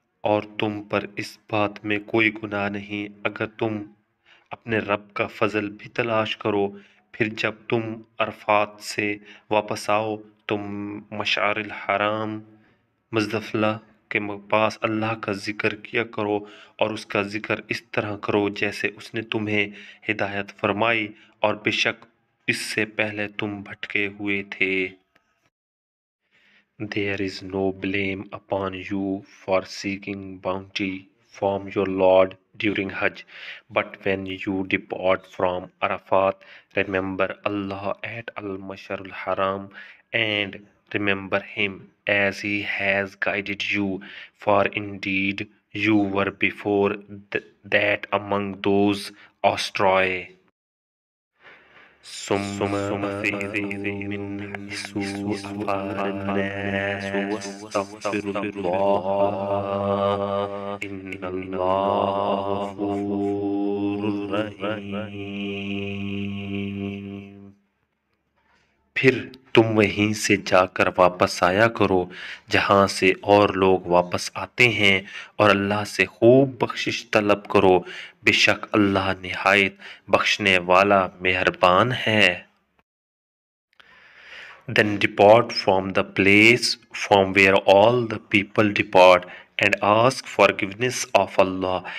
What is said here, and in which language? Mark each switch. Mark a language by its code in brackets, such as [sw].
[ur] اور تم پر اس بات میں کوئی گناہ نہیں اگر تم اپنے رب کا فضل بھی تلاش کرو، پھر جب تم عرفات سے واپس آؤ تم مشعر الحرام مزدلفہ کے پاس اللہ کا ذکر کیا کرو، اور اس کا ذکر اس طرح کرو جیسے اس نے تمہیں ہدایت فرمائی، اور بے شک اس سے پہلے تم بھٹکے ہوئے تھے. [en] There is no blame upon you for seeking bounty from your Lord during Hajj. But when you depart from Arafat, remember Allah at Al-Mashar Al-Haram and remember Him as He has guided you. For indeed, you were before that among those astray. [ar] ثم فيذ من حيث أفاض الناس واستغفر الله إن الله غفور رحيم. [ur] پھر تم وہیں سے جا کر واپس آیا کرو جہاں سے اور لوگ واپس آتے ہیں، اور اللہ سے خوب بخشش طلب کرو، بے شک اللہ نہایت بخشنے والا مہربان ہے. [en] Then depart from the place from where all the people depart and ask forgiveness of Allah.